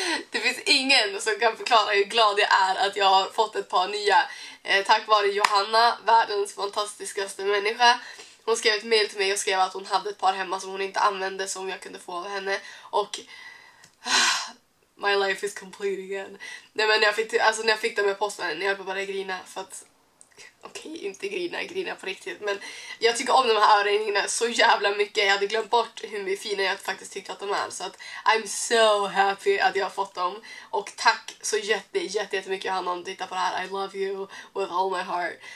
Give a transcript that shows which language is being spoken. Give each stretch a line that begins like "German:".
Swedish: Det finns ingen som kan förklara hur glad jag är att jag har fått ett par nya. Tack vare Johanna, världens fantastiskaste människa. Hon skrev ett mail till mig och skrev att hon hade ett par hemma som hon inte använde, som jag kunde få av henne. Och
English: my life is complete again.
Swedish: Nej, men när jag fick dem med posten, jag höll på att bara grina för att... Okej, inte grina, grina på riktigt. Men jag tycker om de här örhängena så jävla mycket. Jag hade glömt bort hur fina jag faktiskt tyckte att de är. Så att
English: I'm so happy
Swedish: att jag har fått dem. Och tack så jättemycket Hanna om du tittar på det här.
English: I love you with all my heart.